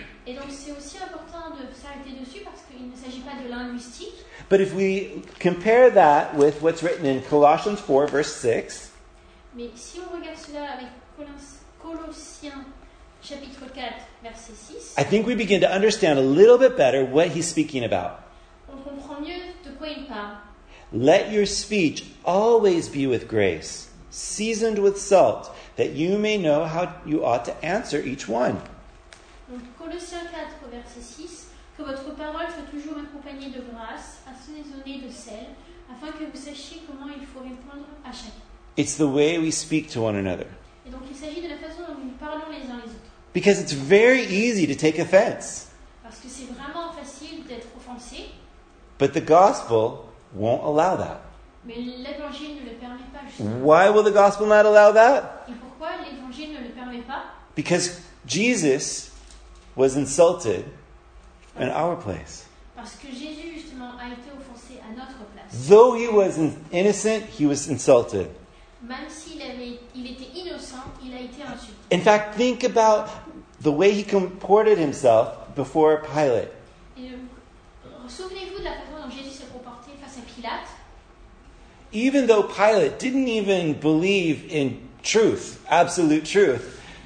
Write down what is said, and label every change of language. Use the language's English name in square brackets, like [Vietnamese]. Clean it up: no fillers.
[French] Et donc c'est aussi important de s'arrêter dessus parce qu'il ne s'agit pas de linguistique. [English] But if we compare that with what's written in Colossians 4, verse 6. [French] Mais si on regarde cela avec Colossiens chapitre 4 verset 6, [English] I think we begin to understand a little bit better what he's speaking about. [French] On comprend mieux de quoi il parle. [English] Let your speech always be with grace, seasoned with salt, that you may know how you ought to answer each one. [French] Donc Colossiens 4 verset 6, que votre parole soit toujours accompagnée de grâce, assaisonnée de sel, afin que vous sachiez comment il faut répondre à chacun. [English] It's the way we speak to one another. [French] Et donc, il s'agit de la façon dont nous parlons les uns les autres. [English] Because it's very easy to take offense. [French] Parce que c'est vraiment facile d'être offensé. [English] But the gospel won't allow that. [French] Mais l'évangile ne le permet pas. [English] Why will the gospel not allow that? [French] Et pourquoi l'évangile ne le permet pas? [English] Because Jesus was insulted in our place. [French] Parce que Jésus justement a été offensé à notre place. [English] Though he was innocent, he was insulted. [French] Même s'il avait, il était innocent, il a été insulté. [English] In fact, think about the way he comported himself before Pilate. [French] Souvenez-vous de la façon dont Jésus s'est comporté face à Pilate. [English] Even though Pilate didn't even believe in truth, absolute truth.